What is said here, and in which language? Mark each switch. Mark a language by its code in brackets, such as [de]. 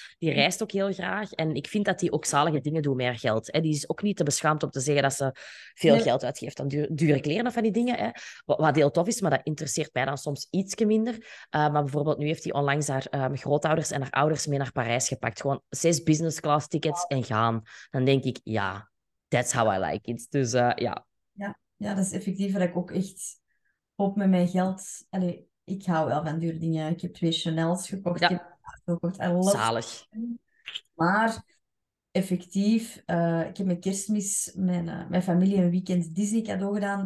[nl] Die reist ook heel graag en ik vind dat die ook zalige dingen doet met haar geld. Hè. Die is ook niet te beschaamd om te zeggen dat ze veel geld uitgeeft aan dure kleren of van die dingen. Hè. Wat heel tof is, maar dat interesseert mij dan soms ietsje minder. Maar bijvoorbeeld nu heeft die onlangs haar grootouders en haar ouders mee naar Parijs gepakt. Gewoon 6 business class tickets en gaan. Dan denk ik, ja, [en] that's how I like it. [nl] Dus ja. Ja, dat is effectief wat ik ook echt hoop met mijn geld. Allee, ik hou wel van dure dingen. Ik heb 2 Chanels gekocht. Ik heb gekocht. [en] I love [nl] Zalig. [en] them. [nl] Maar effectief, ik heb met kerstmis mijn familie een weekend Disney cadeau gedaan.